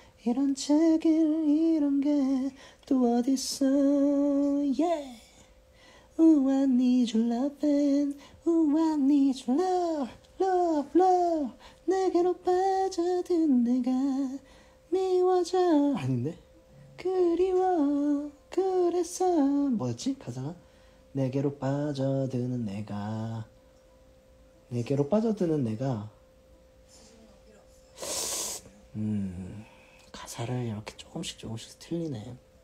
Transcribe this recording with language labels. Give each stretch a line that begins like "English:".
Korean: 이런 책일 이런 게 또 어딨어.
English: Yeah. Ooh, I need your love and Ooh, I need your love Love, love
Korean: 내게로 빠져든 내가 미워져. 아닌데? 그리워 그래서 뭐였지 가사가? 내게로 빠져드는 내가 내게로 빠져드는 내가 가사를 이렇게 조금씩 틀리네.